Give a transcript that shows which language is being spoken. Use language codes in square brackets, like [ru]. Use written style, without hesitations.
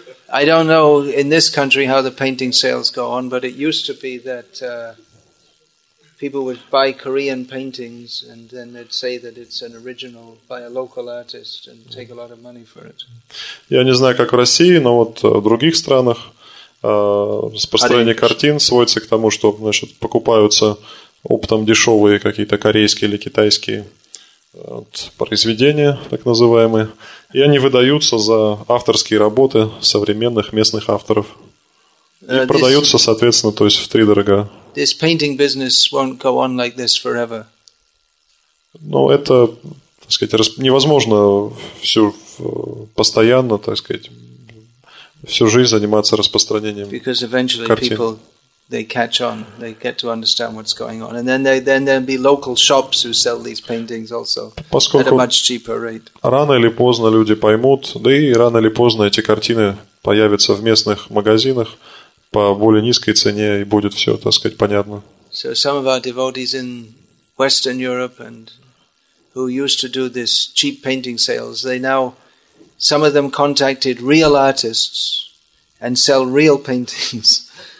[en] I don't know in this country how the painting sales go on, but it used to be that people would buy Korean paintings and then they'd say that it's an original by a local artist and take a lot of money for it. [ru] Я не знаю, как в России, но вот в других странах распространение картин сводится к тому, что, значит, покупаются оптом дешевые какие-то корейские или китайские произведения, так называемые, и они выдаются за авторские работы современных местных авторов. И продаются, соответственно, то есть втридорога. [en] This painting business won't go on like this forever. [ru] Но это, так сказать, невозможно все постоянно, так сказать, всю жизнь заниматься распространением картин. [en] Because eventually people, they catch on, they get to understand what's going on. And then there'll be local shops who sell these paintings also at a much cheaper rate. [ru] Рано или поздно люди поймут, да и рано или поздно эти картины появятся в местных магазинах по более низкой цене, и будет все, так сказать, понятно. [en] So some of our devotees in Western Europe and who used to do this cheap painting sales, they now... Some of them contacted real artists and sell real paintings.